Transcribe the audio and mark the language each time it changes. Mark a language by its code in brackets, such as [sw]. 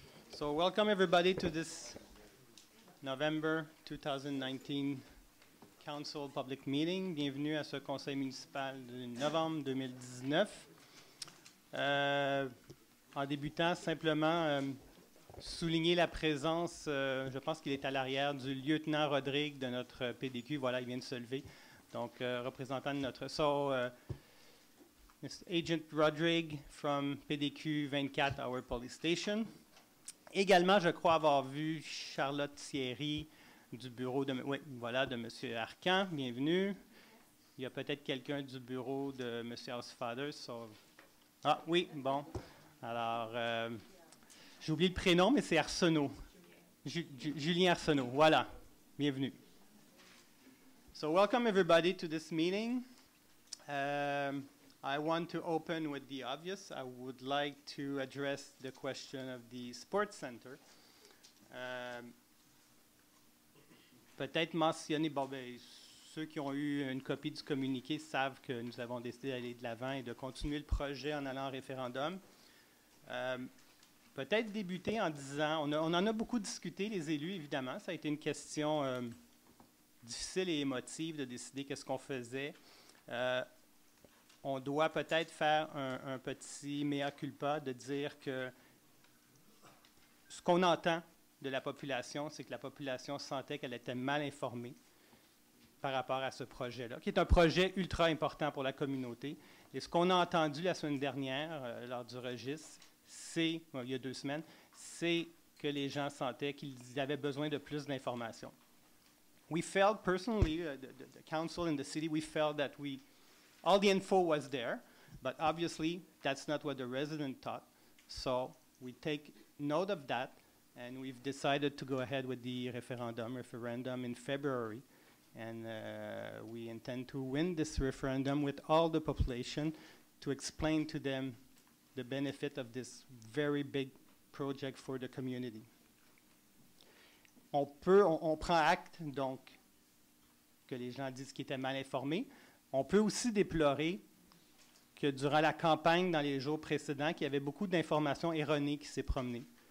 [en] So welcome everybody to this November 2019 Council Public Meeting. [fr] Bienvenue à ce conseil municipal de novembre 2019. En débutant, simplement souligner la présence, je pense qu'il est à l'arrière, du lieutenant Rodrigue de notre PDQ. Voilà, il vient de se lever. Donc, représentant de notre... Mr. [en] Agent Rodrigue from PDQ 24, our police station. [fr] Également, je crois avoir vu Charlotte Thierry du bureau de... Oui, voilà, de M. Arcan. Bienvenue. Il y a peut-être quelqu'un du bureau de M. Housefather. Ah, oui, bon. Alors, j'ai oublié le prénom, mais c'est Arsenault. [en] Julien Arsenault, [fr] voilà. Bienvenue. [en] So, welcome everybody to this meeting. I want to open with the obvious. I would like to address the question of the sports center. [fr] Peut-être mentionner, bon, ben, ceux qui ont eu une copie du communiqué savent que nous avons décidé d'aller de l'avant et de continuer le projet en allant au référendum. Peut-être débuter en disant, on en a beaucoup discuté, les élus, évidemment, ça a été une question difficile et émotive de décider qu'est-ce qu'on faisait. On doit peut-être faire un petit mea culpa de dire que ce qu'on entend de la population, c'est que la population sentait qu'elle était mal informée par rapport à ce projet-là, qui est un projet ultra important pour la communauté. Et ce qu'on a entendu la semaine dernière, lors du registre, c'est, il y a deux semaines, c'est que les gens sentaient qu'ils avaient besoin de plus d'informations. [en] We felt personally, the council in the city, we felt that we... All the info was there, but obviously that's not what the resident thought. So we take note of that, and we've decided to go ahead with the referendum in February. And we intend to win this referendum with all the population to explain to them the benefit of this very big project for the community. [fr] On prend acte, donc, que les gens disent qu'ils étaient mal informés. On peut aussi déplorer que durant la campagne, dans les jours précédents, qu'il y avait beaucoup d'informations erronées qui s'est promenées.